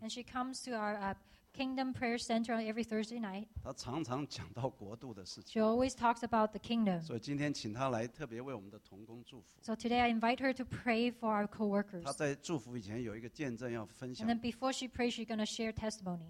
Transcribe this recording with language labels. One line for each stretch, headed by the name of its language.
English: And she comes to our Kingdom Prayer Center every Thursday night.
Chinese: 她常常讲到国度的事情。
English: She always talks about the kingdom.
Chinese: 所以今天请她来特别为我们的同工祝福。
English: So today I invite her to pray for our co-workers.
Chinese: 她在祝福以前有一个见证要分享。
English: And then before she prays, she's going to share testimony.